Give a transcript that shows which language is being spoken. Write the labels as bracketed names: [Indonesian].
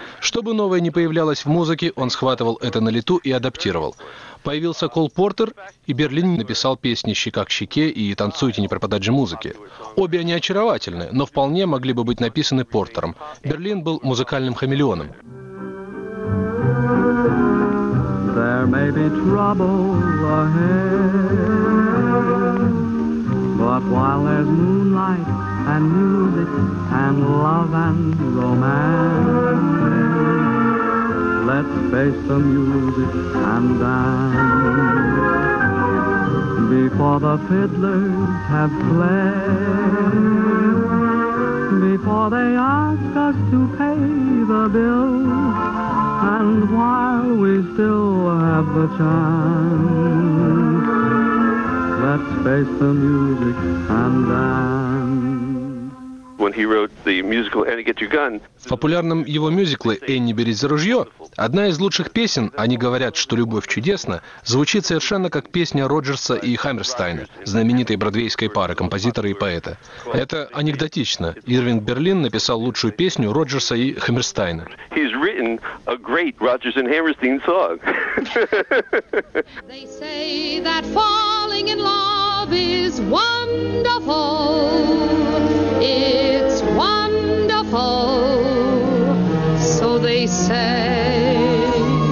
[Russian] Что бы новое ни появлялось в музыке, он схватывал это на лету и адаптировал. Появился Кол Портер, и Берлин написал песни «Щека к щеке» и «Танцуйте, не пропадать же музыки». Обе они очаровательны, но вполне могли бы быть написаны Портером. Берлин был музыкальным хамелеоном. [English] There may be trouble ahead, but while there's moonlight and music and love and romance, let's face the music and dance. Before the fiddlers have played, before they ask us to pay the bill, and while we still have the chance, let's face the music and dance. [Russian] В популярном его мюзикле «Энни, берись за ружье» одна из лучших песен «Они говорят, что любовь чудесна» звучит совершенно как песня Роджерса и Хаммерстайна, знаменитой бродвейской пары композитора и поэта. Это анекдотично. Ирвинг Берлин написал лучшую песню Роджерса и Хаммерстайна. [English] He's written a great Rodgers and Hammerstein song. They say that falling in love is wonderful. It's wonderful, so they say.